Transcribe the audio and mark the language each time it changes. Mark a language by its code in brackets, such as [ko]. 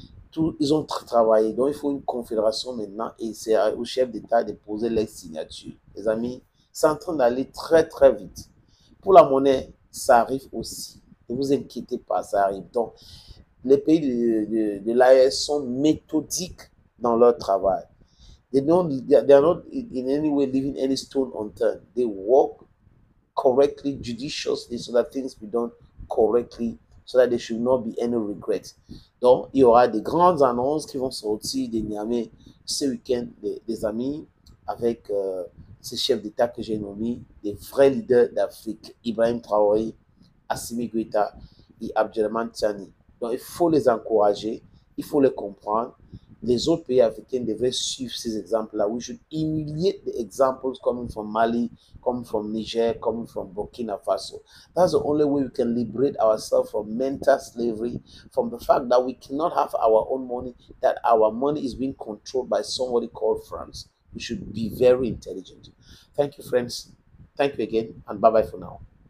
[fr] Tout, ils ont travaillé. Donc, il faut une confédération maintenant et c'est au chef d'État de poser les signatures. Les amis, c'est en train d'aller très, très vite. Pour la monnaie, ça arrive aussi. Ne vous inquiétez pas, ça arrive. Donc, les pays de l'AES sont méthodiques dans leur travail. [en] They're not in any way leaving any stone unturned. They work correctly, judiciously, so that things be done correctly, so that there should not be any regrets. [fr] Donc, il y aura des grandes annonces qui vont sortir de Niamey ce week-end, des amis, avec ces chefs d'État que j'ai nommés, des vrais leaders d'Afrique, Ibrahim Traoré, Assimi Goïta et Abdelhamane Tchiani. Donc, il faut les encourager, il faut les comprendre. Les autres pays africains devraient suivre ces exemples-là. [en] We should emulate the examples coming from Mali, coming from Niger, coming from Burkina Faso. That's the only way we can liberate ourselves from mental slavery, from the fact that we cannot have our own money, that our money is being controlled by somebody called France. We should be very intelligent. Thank you, friends. Thank you again, and bye-bye for now.